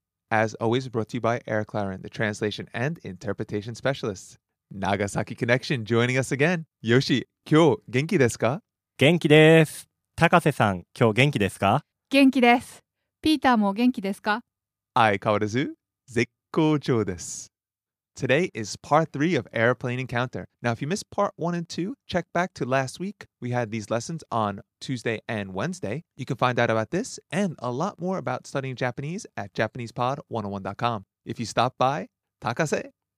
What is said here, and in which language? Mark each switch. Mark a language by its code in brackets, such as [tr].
[en] As always brought to you by Air Clarin, the translation and interpretation specialist. Nagasaki Connection joining us again. [ja] Yoshi, 今日元気ですか？元気です。高瀬さん、今日元気ですか？元気です。 Peter も元気ですか？相変わらず、絶好調です。 [en] Today is part 3 of Airplane Encounter. Now, if you missed part 1 and 2, check back to last week. We had these lessons on Tuesday and Wednesday. You can find out about this and a lot more about studying Japanese at JapanesePod101.com. If you stop by, Takase,